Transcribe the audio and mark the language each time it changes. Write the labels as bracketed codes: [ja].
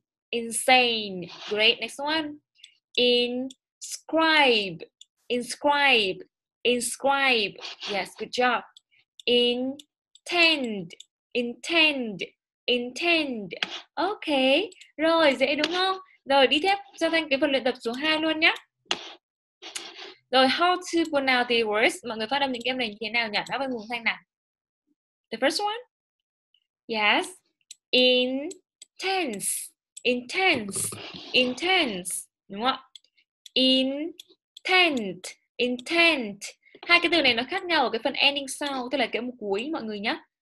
[en] Insane. Great. Next one. Inscribe. Inscribe. Inscribe. Yes, good job. Intend. Intend. Intend. Ok. [vi] Rồi, dễ đúng không? Rồi, đi tiếp cho Thanh cái phần luyện tập số 2 luôn nhé. Rồi, [en] how to pronounce the words. [vi] Mọi người phát âm những cái này như thế nào nhỉ? Đáp án cùng Thanh nào. [en] The first one. [vi] Yes. [en] Intense. Intense. Intense. [vi] Đúng không? [en] Intent. Intent. Intent. [vi] Hai cái từ này nó khác nhau ở cái phần ending sound, tức là cái âm cuối mọi người nhá.